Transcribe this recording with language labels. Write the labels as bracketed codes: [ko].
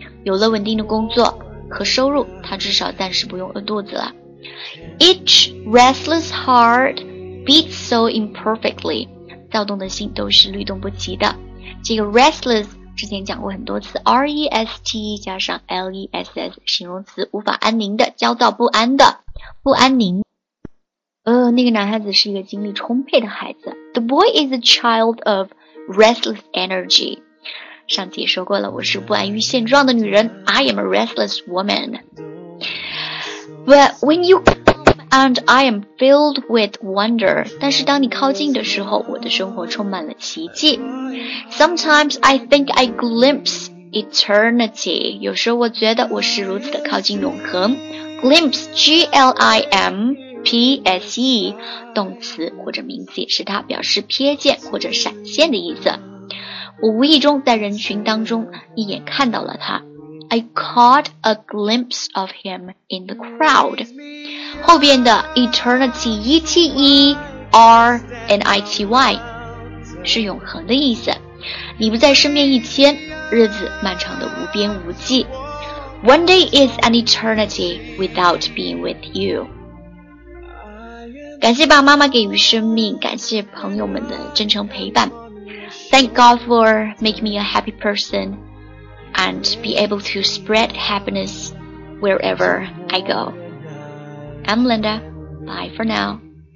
[zh] 有了稳定的工作和收入，他至少暂时不用饿肚子了。 [en] Each restless heart beats so imperfectly. [zh] 躁动的心都是律动不齐的。这个 restless 之前讲过很多次， R-E-S-T 加上 L-E-S-S 形容词，无法安宁的，焦躁不安的，不安宁。那个男孩子是一个精力充沛的孩子。 [en] The boy is a child of restless energy. [zh] 上次也说过了，我是不安于现状的女人， [en] I am a restless womanBut when you come and I am filled with wonder, [zh] 但是当你靠近的时候，我的生活充满了奇迹。 [en] Sometimes I think I glimpse eternity. [zh] 有时候我觉得我是如此的靠近永恒。Glimpse, G-L-I-M-P-S-E, 动词或者名词也是它，表示瞥见或者闪现的意思。我无意中在人群当中一眼看到了它。 [en] I caught a glimpse of him in the crowd. [zh] 后边的 eternity, E-T-E-R-N-I-T-Y 是永恒的意思。你不在身边一天，日子漫长的无边无际。 [en] One day is an eternity without being with you. [zh] 感谢爸爸妈妈给予生命，感谢朋友们的真诚陪伴。 [en] Thank God for making me a happy person. And be able to spread happiness wherever I go. I'm Linda. Bye for now.